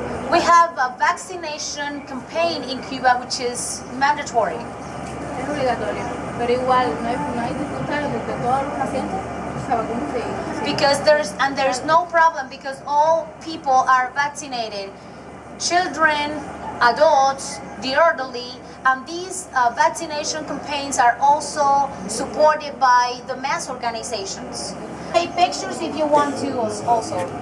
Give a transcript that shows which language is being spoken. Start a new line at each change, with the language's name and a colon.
English: We have a vaccination campaign in Cuba, which is mandatory.
Spanish: Es obligatorio, pero igual no hay dificultad de todos los pacientes.
English: Because there's no problem because all people are vaccinated, children, adults, the elderly, and these vaccination campaigns are also supported by the mass organizations. Take pictures if you want to also.